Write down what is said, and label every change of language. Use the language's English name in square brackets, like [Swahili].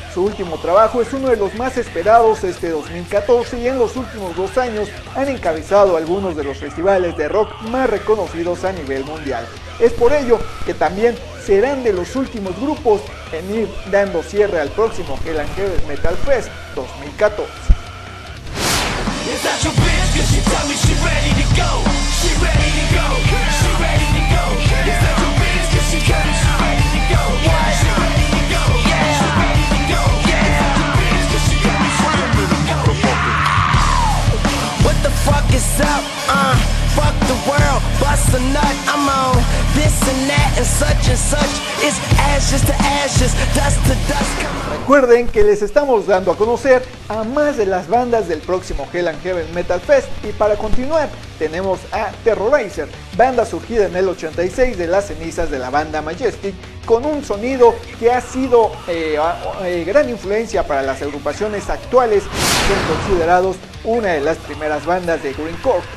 [Spanish] Su último trabajo es uno de los más esperados este 2014 y en los últimos dos años han encabezado algunos de los festivales de rock más reconocidos a nivel mundial. Es por ello que también serán de los últimos grupos en ir dando cierre al próximo Hell and Heaven Metal Fest 2014. [English] Is that your bitch? Cause she tell me she ready to go. She ready to go. She ready to go. Is that your bitch? Cause she tell me she ready to go. What? She ready to go. Yeah. She ready to go. Yeah. Is that your bitch? Cause she tell me she ready to go. What the fuck is up? Fuck the world. Bust a nut. I'm on this and that and such is ashes to ashes, dust to dust. Come on. [Spanish] Recuerden que les estamos dando a conocer a más de las bandas del próximo Hell and Heaven Metal Fest. Y para continuar, tenemos a Terrorizer, banda surgida en el 86 de las cenizas de la banda Majestic, con un sonido que ha sido gran influencia para las agrupaciones actuales, son considerados una de las primeras bandas de grindcore.